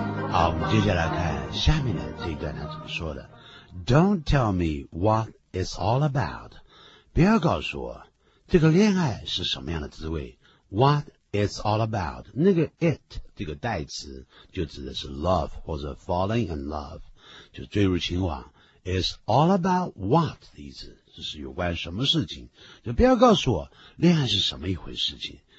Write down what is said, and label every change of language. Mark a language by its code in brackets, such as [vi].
[zh] 好，我们接下来看下面的这一段他怎么说的。 [en] Don't tell me what it's all about. [zh] 不要告诉我这个恋爱是什么样的滋味。 [en] What it's all about. [zh] 那个 it, 这个代词就指的是 love 或者 falling in love. 就坠入情网 [en] is all about what [zh] 的意思，这是有关什么事情，就不要告诉我恋爱是什么一回事情。